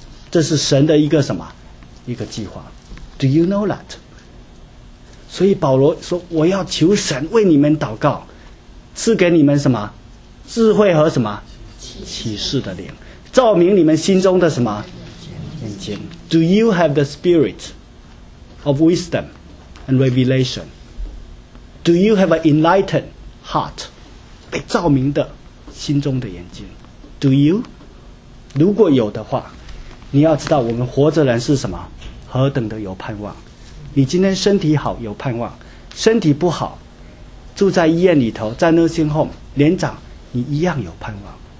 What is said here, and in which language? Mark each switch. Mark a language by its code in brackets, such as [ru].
[zh] 这是神的一个什么？一个计划。 [en] Do you know that? [zh] 所以保罗说，我要求神为你们祷告，赐给你们什么？智慧和什么？启示的灵，照明你们心中的什么眼睛。 [en] Do you have the spirit of wisdom and revelation? Do you have an enlightened heart? [zh] 被照明的心中的眼睛。 [en] Do you? [zh] 如果有的话，你要知道我们活着人是什么，何等的有盼望。你今天身体好有盼望，身体不好住在医院里头，在 nursing home， 连长，你一样有盼望。